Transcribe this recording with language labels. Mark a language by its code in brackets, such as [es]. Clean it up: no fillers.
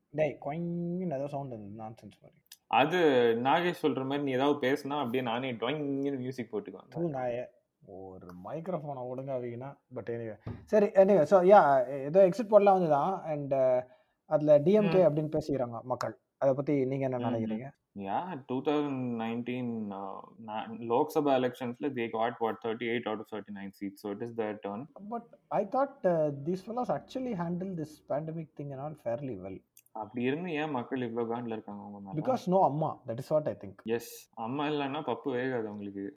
[ta] டேய் குயின் அத சவுண்ட் அந்த நான்சென்ஸ் மாதிரி. அது நாகேஷ் சொல்ற மாதிரி நீ ஏதாவது பேசினா அப்படியே நானே டுயிங்னு மியூசிக் போட்டுக்கோ. தூ நாய ஒரு மைக்ரோஃபோனை ஒழுங்கா வைக்கினா. [en] but anyway [ta] சரி, எனிவே சோ யா ஏதோ எக்ஸிட் போடலாம் வந்துதான். அண்ட் அதுல DMK அப்படினு பேசிறாங்க மக்கள். அத பத்தி நீங்க என்ன நினைக்கிறீங்க? [en] Yeah, 2019 Lok Sabha elections, they got, 38 out of 39 seats. So it is their turn. But I thought these fellas actually handled this pandemic thing and all fairly well. [ta] அப்படி இருந்து ஏன் மக்கள் இவ்வளோ காண்டில் இருக்காங்க அவங்க மேலே? [en] Because no அம்மா, that is what I think. [ta] S, அம்மா இல்லைன்னா பப்பு வேகாது உங்களுக்கு.